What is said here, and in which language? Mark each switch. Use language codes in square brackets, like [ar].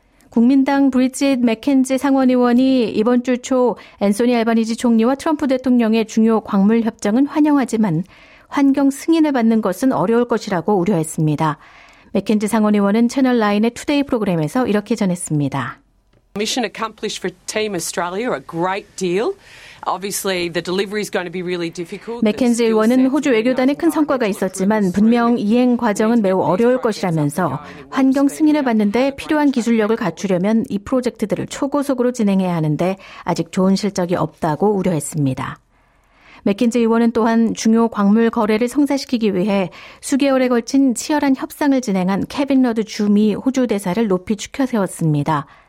[ko] 국민당 브리짓 맥켄지 상원의원이 이번 주 초 앤소니 알바니지 총리와 트럼프 대통령의 중요 광물 협정은 환영하지만 환경 승인을 받는 것은 어려울 것이라고 우려했습니다. 맥켄지 상원의원은 채널9의 투데이 프로그램에서 이렇게 전했습니다. [en] Mission accomplished for Team Australia, a great deal. Obviously, the delivery is going to be really difficult. [ko] 맥켄지 의원은 호주 외교단에 큰 성과가 있었지만 분명 이행 과정은 매우 어려울 것이라면서 환경 승인을 받는데 필요한 기술력을 갖추려면 이 프로젝트들을 초고속으로 진행해야 하는데 아직 좋은 실적이 없다고 우려했습니다. 맥켄지 의원은 또한 중요 광물 거래를 성사시키기 위해 수개월에 걸친 치열한 협상을 진행한 케빈 러드 주미 호주 대사를 높이 추켜세웠습니다.